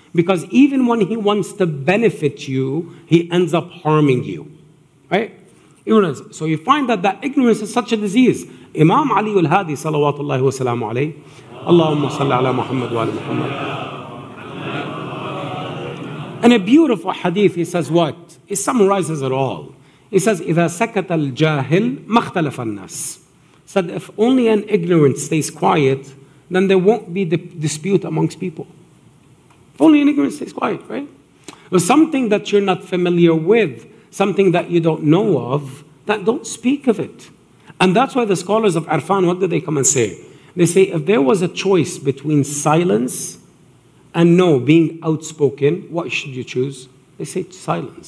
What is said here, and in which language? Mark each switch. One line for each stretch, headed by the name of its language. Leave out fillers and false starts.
English: Because even when he wants to benefit you, he ends up harming you. Right? Ignorance. So you find that ignorance is such a disease. Imam Ali al-Hadi, salawatullahi wa salamu alayhi. Allahumma salli ala Muhammad wa ala Muhammad. In a beautiful hadith, he says what? He summarizes it all. He says,
Arabic: إِذَا سَكَتَ الْجَاهِلُ مَخْتَلَفَ النَّاسِ.
English: Said, if only an ignorant stays quiet, then there won't be the dispute amongst people. If only an ignorant stays quiet, right? But something that you're not familiar with, something that you don't know of, that don't speak of it. And that's why the scholars of Arfan, what do they come and say? They say, if there was a choice between silence and no, being outspoken, what should you choose? They say silence.